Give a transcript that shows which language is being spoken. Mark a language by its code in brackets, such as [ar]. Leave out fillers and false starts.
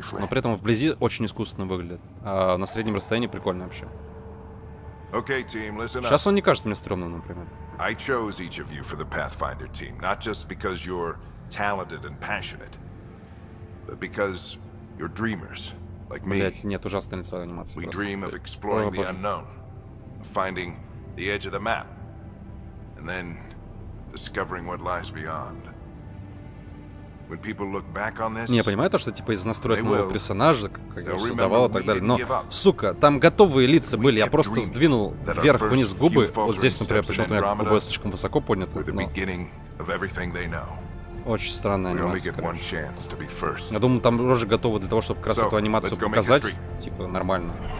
[ru] Но при этом вблизи очень искусственно выглядит. А на среднем расстоянии прикольно вообще. [en] Okay, team, [ru] сейчас он не кажется мне стрёмным, например. [en] I chose each of you for the Pathfinder team, not just because you're talented and passionate, but because you're dreamers, like me. [ru] Блять, нет, ужасная лицевая анимация. [en] We dream of exploring the unknown, finding the edge of the map, and then discovering what lies beyond. When people look back on this, [ru] не, я понимаю то, что типа из настроек моего персонажа, как я создавал и так далее, но, сука, там готовые лица были, я просто сдвинул вверх-вниз губы, вот здесь, например, почему-то у меня губы слишком высоко подняты, но... Очень странная анимация, короче. Я думаю, там уже готовы для того, чтобы как раз эту анимацию показать, типа, нормально.